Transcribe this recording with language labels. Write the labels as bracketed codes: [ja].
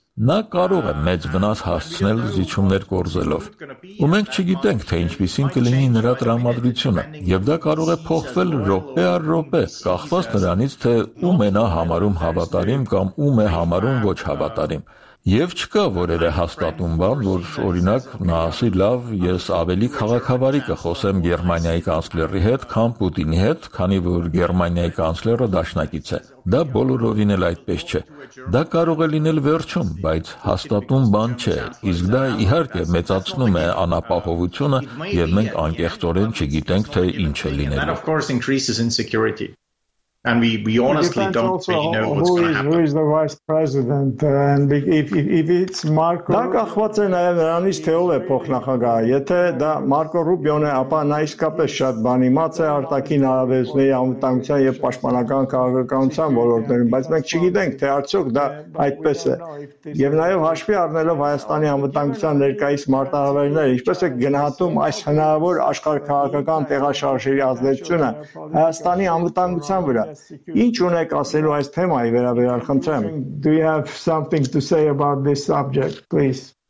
[hy] Նա կարող է մեծ վնաս հասցնել զիջումներ կորզելով։ Ու մենք չգիտենք, թե ինչպիսին կլինի նրա տրամադրությունը, եւ դա կարող է փոխվել րոպե առ րոպե, կախված նրանից, թե ում է նա համարում հավատարիմ կամ ում է համարում ոչ հավատարիմ։ Եվ չկա որևէ հաստատում բան, որ օրինակ նա ասի՝ «Լավ, ես ավելի քաղաքավարի կխոսեմ Գերմանիայի կանցլերի հետ, քան Պուտինի հետ, քանի որ Գերմանիայի կանցլերը դաշնակից է»։ Դա բոլորովին էլ այդպես չէ։ Դա կարող է լինել վերջում, բայց հաստատում բան չէ, իսկ դա իհարկե մեծացնում է անապահովությունը, եւ մենք անկեղծորեն չգիտենք, թե ինչ է լինելու։ [en] And we honestly don't know what's going to happen. Who is the vice president? And if it's Marco... [hy] Դա կախված է նաև նրանից, թե ով է փոխնախագահը։ Եթե դա Մարկո Ռուբիոն է, ապա նա իսկապես շատ բան իմաց է արտաքին արաբեզների անվտանգության և պաշտպանական քաղաքականության ոլորտներում, բայց մենք չգիտենք, թե արդյոք դա այդպես է։ Եվ նաև հաշվի առնելով Հայաստանի անվտանգության ներկայիս մարտահրավերները, ինչպես է գնահատում այս հնարավոր աշխարհքաղաքական տեղաշարժերի ազդեցությունը Հայաստանի անվտանգության վրա։ Ինչ ունեք ասելու այս թեմայի վերաբերյալ, խնդրեմ։ [en] Do you have something to say about this subject, please?